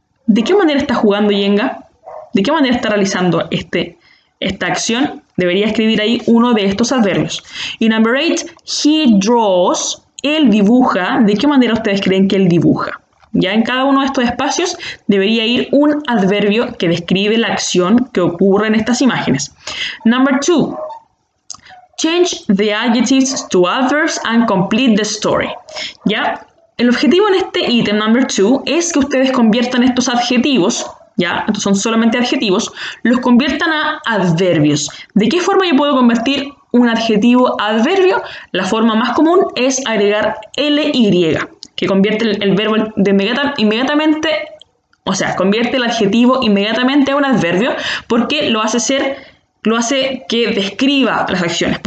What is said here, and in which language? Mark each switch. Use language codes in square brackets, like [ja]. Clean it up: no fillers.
[es] ¿De qué manera está jugando Jenga? ¿De qué manera está realizando esta acción? Debería escribir ahí uno de estos adverbios. Y [en] number eight, he draws. [es] Él dibuja. ¿De qué manera ustedes creen que él dibuja? Ya en cada uno de estos espacios debería ir un adverbio que describe la acción que ocurre en estas imágenes. [en] Number two, change the adjectives to adverbs and complete the story. [es] Ya, el objetivo en este ítem [en] number two [es] es que ustedes conviertan estos adjetivos, ya, estos son solamente adjetivos, los conviertan a adverbios. ¿De qué forma yo puedo convertir un adjetivo a adverbio? La forma más común es agregar ly, que convierte el verbo de inmediatamente, o sea, convierte el adjetivo inmediatamente a un adverbio porque lo hace que describa las acciones.